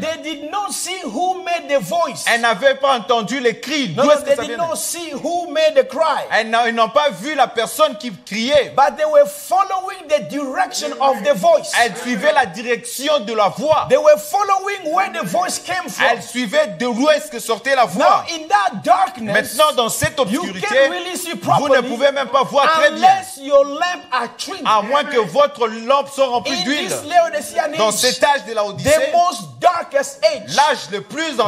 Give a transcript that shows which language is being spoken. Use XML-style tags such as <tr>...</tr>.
<en>They did not see who made the voice.</en> <fr>Elles n'avaient pas entendu les cris.</fr> <en>No, no, they did not see who made the cry.</en> <fr>Elles n'ont pas vu la personne qui criait.</fr> <en>But they were following the direction of the voice.</en> <fr>Elles suivaient la direction de la voix.</fr> <en>They were following where the voice came from.</en> <fr>Elles suivaient de où est-ce que sortait la voix.</fr> <en>Now, in that darkness,</en> <fr>maintenant dans cette obscurité,</fr> <en>you can't really see properly,</en> <fr>vous ne pouvez même pas voir très bien.</fr> <en>Your lamp are trimmed.</en> <fr>À moins que votre lampe soit remplie</fr> <en>in</en> <fr>d'huile. Dans cet âge de l'Odyssée,</fr> <en>the most darkest age,</en> <fr>l'âge le plus en</fr>